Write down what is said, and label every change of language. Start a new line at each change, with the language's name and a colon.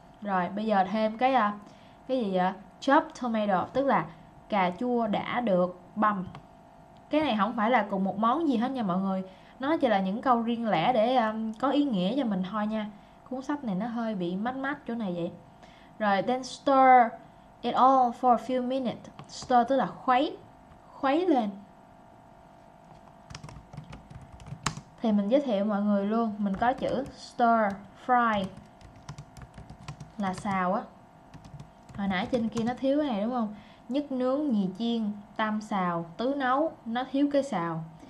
Vietnamese: Rồi bây giờ thêm cái gì vậy?
English: Chop tomato
Vietnamese: tức là cà chua đã được băm. Cái này không phải là cùng một món gì hết nha mọi người, nó chỉ là những câu riêng lẻ để có ý nghĩa cho mình thôi nha. Cuốn sách này nó hơi bị mát mát chỗ này vậy.
English: Rồi then stir it all for a few minutes.
Vietnamese: Stir tức là khuấy, khuấy lên. Thì mình giới thiệu mọi người luôn, mình có chữ stir fry là xào á, Hồi nãy trên kia nó thiếu cái này đúng không? Nhất nướng, nhì chiên, tam xào, tứ nấu, nó thiếu cái xào.